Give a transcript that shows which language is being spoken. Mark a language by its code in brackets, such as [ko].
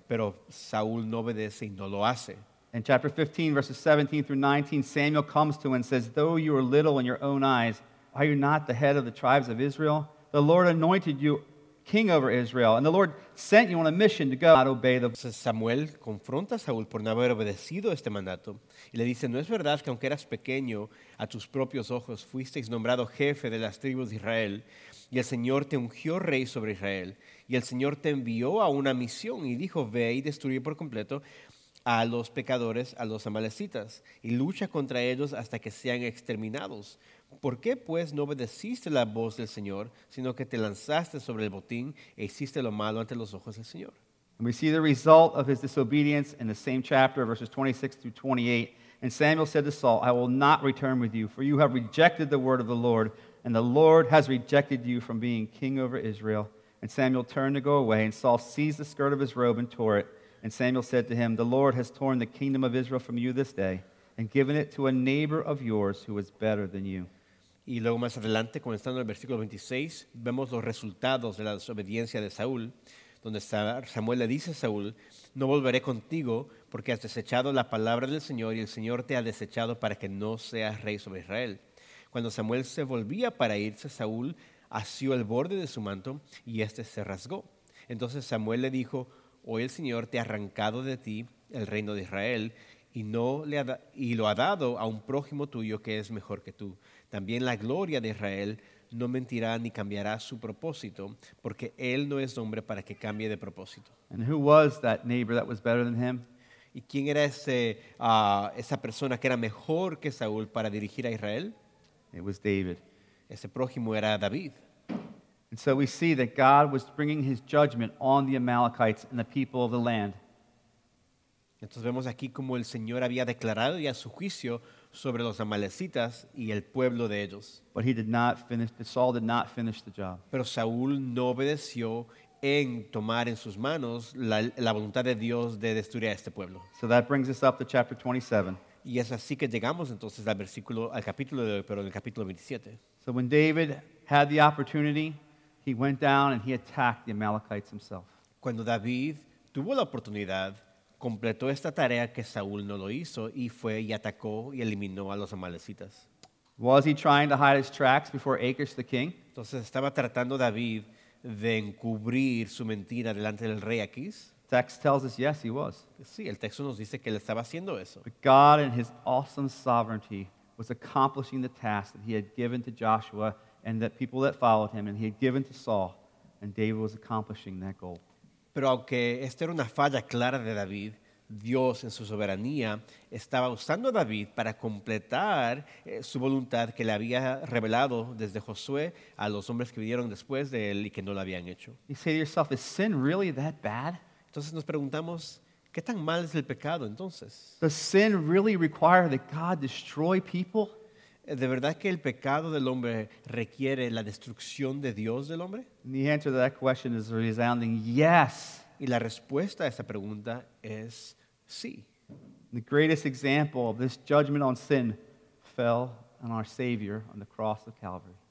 [es] Pero Saúl no obedece y no lo hace. [en] In chapter 15, verses 17 through 19, Samuel comes to him and says, "Though you are little in your own eyes, are you not the head of the tribes of Israel? The Lord anointed you king over Israel, and the Lord sent you on a mission to go and obey the. [es] Samuel confronta a Saúl por no haber obedecido este mandato, y le dice: No es verdad que aunque eras pequeño, a tus propios ojos fuisteis nombrado jefe de las tribus de Israel, y el Señor te ungió rey sobre Israel, y el Señor te envió a una misión y dijo: Ve y destruye por completo a los pecadores, a los amalecitas, y lucha contra ellos hasta que sean exterminados. ¿Por qué, pues, no obedeciste la voz del Señor, sino que te lanzaste sobre el botín e hiciste lo malo ante los ojos del Señor? [en] And we see the result of his disobedience in the same chapter, verses 26 through 28. And Samuel said to Saul, I will not return with you, for you have rejected the word of the Lord, and the Lord has rejected you from being king over Israel. And Samuel turned to go away, and Saul seized the skirt of his robe and tore it. And Samuel said to him, The Lord has torn the kingdom of Israel from you this day and given it to a neighbor of yours who is better than you. [es] Y luego más adelante, comenzando en el versículo 26, vemos los resultados de la desobediencia de Saúl, donde Samuel le dice a Saúl, No volveré contigo porque has desechado la palabra del Señor y el Señor te ha desechado para que no seas rey sobre Israel. Cuando Samuel se volvía para irse, Saúl asió el borde de su manto y este se rasgó. Entonces Samuel le dijo, Hoy el Señor te ha arrancado de ti el reino de Israel y, no le ha y lo ha dado a un prójimo tuyo que es mejor que tú. También la gloria de Israel no mentirá ni cambiará su propósito, porque él no es hombre para que cambie de propósito. [en] And who was that neighbor that was better than him? [es] ¿Y quién era ese, esa persona que era mejor que Saúl para dirigir a Israel? [en] It was David. [es] Ese prójimo era David. [en] And so we see that God was bringing his judgment on the Amalekites and the people of the land. [es] Entonces vemos aquí como el Señor había declarado ya su juicio sobre los amalecitas y el pueblo de ellos. [en] But he did not finish, Saul did not finish the job. [es] Pero Saúl no obedeció en tomar en sus manos la voluntad de Dios de destruir a este pueblo. [en] So that brings us up to chapter 27. [es] Y es así que llegamos entonces al versículo, al capítulo de hoy, pero en el capítulo 27. [en] So when David had the opportunity, he went down and he attacked the Amalekites himself. [es] Cuando David tuvo la oportunidad, completó esta tarea que Saúl no lo hizo y fue y atacó y eliminó a los amalecitas. [en] Was he trying to hide his tracks before Achish the king? [es] Entonces estaba tratando David de encubrir su mentira delante del rey Achish. [en] Text tells us yes, he was. [es] Sí, el texto nos dice que él estaba haciendo eso. [en] But God in his awesome sovereignty was accomplishing the task that he had given to Joshua and the people that followed him, and he had given to Saul, and David was accomplishing that goal. [es] Pero aunque esta era una falla clara de David, Dios en su soberanía estaba usando a David para completar su voluntad que le había revelado desde Josué a los hombres que vinieron después de él y que no lo habían hecho. [en] You say to yourself, is sin really that bad? [es] Entonces nos preguntamos, ¿qué tan mal es el pecado entonces? [en] Does sin really require that God destroy people? [es] ¿De verdad que el pecado del hombre requiere la destrucción de Dios del hombre? [en] The answer to that question is a resounding yes. [es] Y la respuesta a esa pregunta es sí. [en] The greatest example of this judgment on sin fell on our Savior on the cross of Calvary.